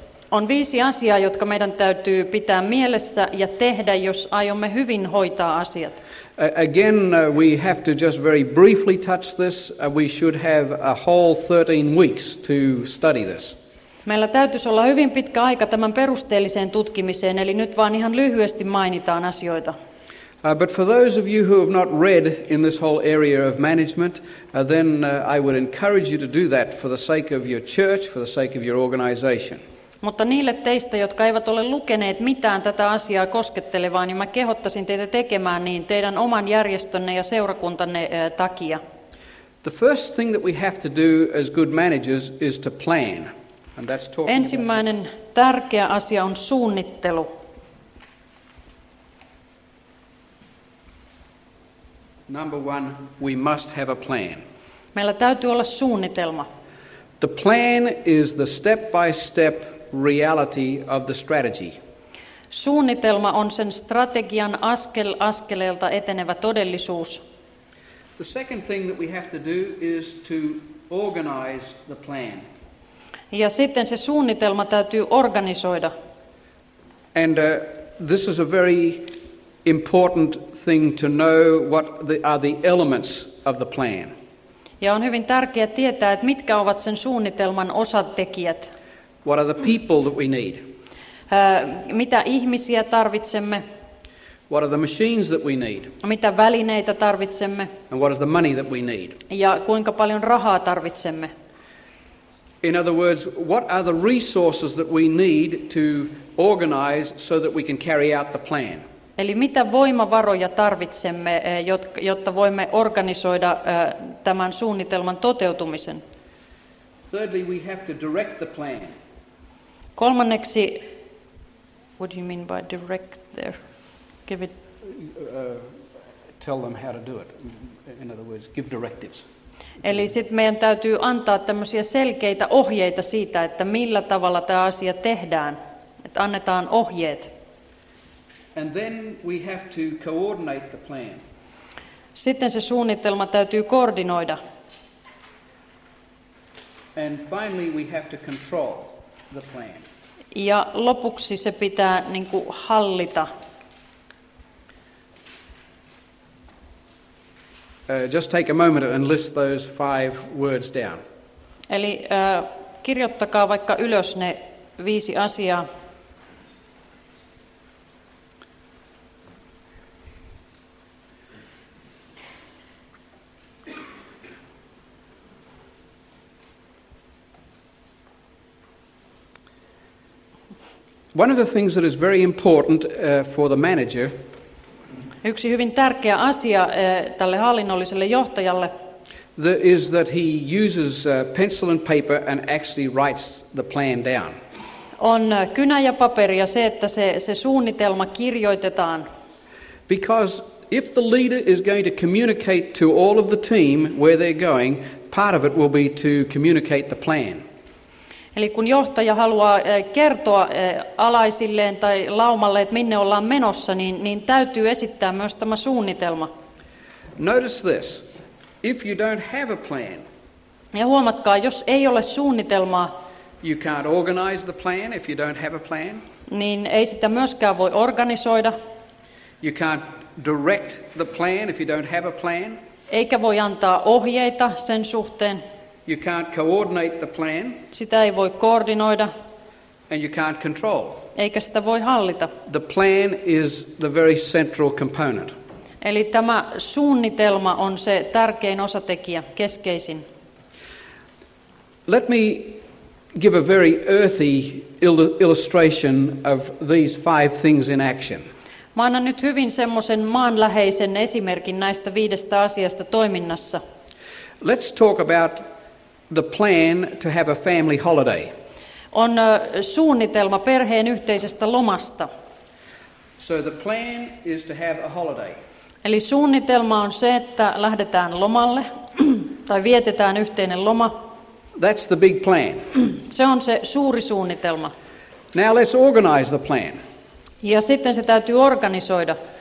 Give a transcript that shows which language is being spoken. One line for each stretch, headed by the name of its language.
Finnish: On viisi asiaa, jotka meidän täytyy pitää mielessä ja tehdä, jos aiomme hyvin hoitaa asiat.
English: Again, we have to just very briefly touch this. We should have a whole 13 weeks to study this.
Finnish: Meillä täytyisi olla hyvin pitkä aika tämän perusteelliseen tutkimiseen, eli nyt vaan ihan lyhyesti mainitaan asioita.
English: But for those of you who have not read in this whole area of management, then I would encourage you to do that for the sake of your church, for the sake of your organization.
Finnish: Mutta niille teistä, jotka eivät ole lukeneet mitään tätä asiaa koskettelevaa, niin mä kehottaisin teitä tekemään niin teidän oman järjestönne ja seurakuntanne takia.
English: The first thing that we have to do as good managers is to plan. And that's talking
Finnish: ensimmäinen
English: about
Finnish: tärkeä asia on suunnittelu.
English: Number one, we must have a plan.
Finnish: Meillä täytyy olla suunnitelma.
English: The plan is the step-by-step reality of the strategy.
Finnish: Suunnitelma on sen strategian askel askeleelta etenevä todellisuus.
English: The second thing that we have to do is to organize the plan.
Finnish: Ja sitten se suunnitelma täytyy organisoida.
English: And this is a very important thing to know what are the elements of the plan.
Finnish: Ja on hyvin tärkeää tietää, että mitkä ovat sen suunnitelman osatekijät.
English: What are the people that we need?
Finnish: Mitä ihmisiä tarvitsemme?
English: What are the machines that we need?
Finnish: Mitä välineitä tarvitsemme?
English: And what is the money that we need?
Finnish: Ja kuinka paljon rahaa tarvitsemme?
English: In other words, what are the resources that we need to organize so that we can carry out the plan?
Finnish: Eli mitä voimavaroja tarvitsemme, jotta voimme organisoida tämän suunnitelman toteutumisen?
English: Thirdly, we have to direct the plan.
Finnish: Kolmanneksi,
English: what do you mean by direct there? Give it. Tell them how to do it. In other words, give directives.
Finnish: Eli sitten meidän täytyy antaa tämmöisiä selkeitä ohjeita siitä, että millä tavalla tämä asia tehdään. Että annetaan ohjeet.
English: And then we have to coordinate the plan.
Finnish: Sitten se suunnitelma täytyy koordinoida.
English: And finally we have to control the plan.
Finnish: Ja lopuksi se pitää niinku hallita.
English: Just take a moment and list those five words down.
Finnish: Eli kirjoittakaa vaikka ylös ne viisi asiaa.
English: One of the things that is very important for the manager
Finnish: Yksi hyvin tärkeä asia tälle hallinnolliselle johtajalle.
English: That is that he uses pencil and paper and actually writes the plan down.
Finnish: On kynä ja paperi ja se, että se suunnitelma kirjoitetaan.
English: Because if the leader is going to communicate to all of the team where they're going, part of it will be to communicate the plan.
Finnish: Eli kun johtaja haluaa kertoa alaisilleen tai laumalle, että minne ollaan menossa, niin täytyy esittää myös tämä suunnitelma.
English: Notice this. If you don't have a plan.
Finnish: Ja huomatkaa, jos ei ole suunnitelmaa.
English: You can't organize the plan if you don't have a plan.
Finnish: Niin ei sitä myöskään voi organisoida.
English: You can't direct the plan if you don't have a plan.
Finnish: Eikä voi antaa ohjeita sen suhteen.
English: You can't coordinate the plan.
Finnish: Sitä ei voi koordinoida.
English: And you can't control.
Finnish: Eikä sitä voi hallita.
English: The plan is the very central component.
Finnish: Eli tämä suunnitelma on se tärkein osatekijä, keskeisin.
English: Let me give a very earthy illustration of these five things in action.
Finnish: Mä annan nyt hyvin semmoisen maanläheisen esimerkin näistä viidestä asiasta toiminnassa.
English: Let's talk about the plan to have a family holiday.
Finnish: On suunnitelma perheen yhteisestä lomasta.
English: So the plan is to have a holiday.
Finnish: Eli suunnitelma on se, että lähdetään lomalle tai vietetään yhteinen loma.
English: That's the big plan.
Finnish: Se on se suuri suunnitelma.
English: Now let's organize the plan.
Finnish: Ja sitten se täytyy organisoida.